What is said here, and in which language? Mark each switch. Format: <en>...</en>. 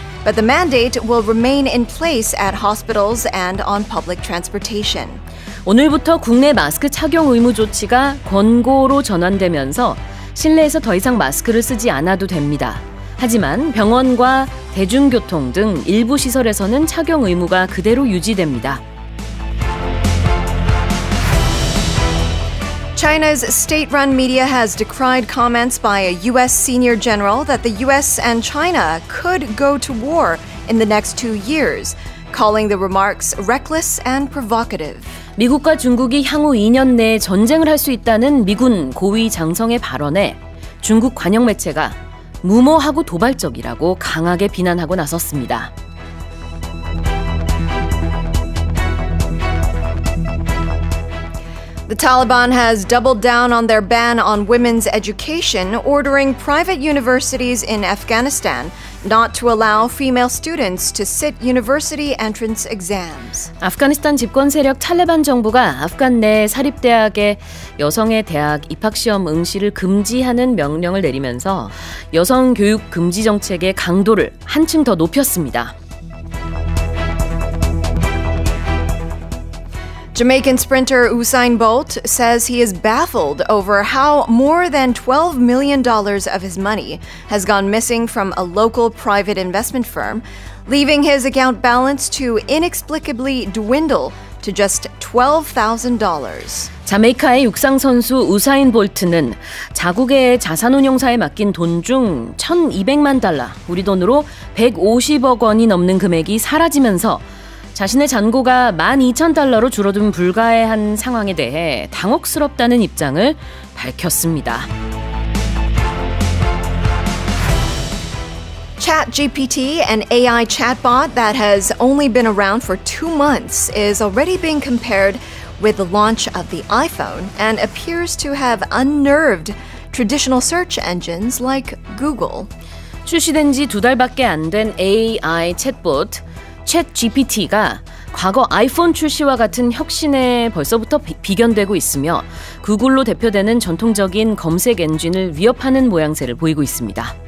<en>But the mandate will remain in place at hospitals and on public transportation.</en> <ko>오늘부터 국내 마스크 착용 의무 조치가 권고로 전환되면서 실내에서 더 이상 마스크를 쓰지 않아도 됩니다. 하지만 병원과 대중교통 등 일부 시설에서는 착용 의무가 그대로 유지됩니다.</ko> <en>China's state-run media has decried comments by a U.S. senior general that the U.S. and China could go to war in the next 2 years, calling the remarks reckless and provocative.</en> <ko>미국과 중국이 향후 2년 내에 전쟁을 할 수 있다는 미군 고위 장성의 발언에 중국 관영 매체가 무모하고 도발적이라고 강하게 비난하고 나섰습니다.</ko> <en>The Taliban has doubled down on their ban on women's education, ordering private universities in Afghanistan not to allow female students to sit university entrance exams.</en> <ko>아프가니스탄 집권 세력 탈레반 정부가 아프간 내 사립대학에 여성의 대학 입학시험 응시를 금지하는 명령을 내리면서 여성 교육 금지 정책의 강도를 한층 더 높였습니다.</ko> <en>Jamaican sprinter Usain Bolt says he is baffled over how more than $12 million of his money has gone missing from a local private investment firm, leaving his account balance to inexplicably dwindle to just $12,000.</en> <ko>자메이카의 육상 선수 우사인 볼트는 자국의 자산운용사에 맡긴 돈 중 1,200만 달러, 우리 돈으로 150억 원이 넘는 금액이 사라지면서 자신의 잔고가 12,000달러로 줄어든 불가해한 상황에 대해 당혹스럽다는 입장을 밝혔습니다.</ko> <en>ChatGPT, an AI chatbot that has only been around for 2 months, is already being compared with the launch of the iPhone and appears to have unnerved traditional search engines like Google.</en> <ko>출시된 지 두 달밖에 안 된 AI 챗봇 ChatGPT가 과거 아이폰 출시와 같은 혁신에 벌써부터 비견되고 있으며 구글로 대표되는 전통적인 검색 엔진을 위협하는 모양새를 보이고 있습니다.</ko>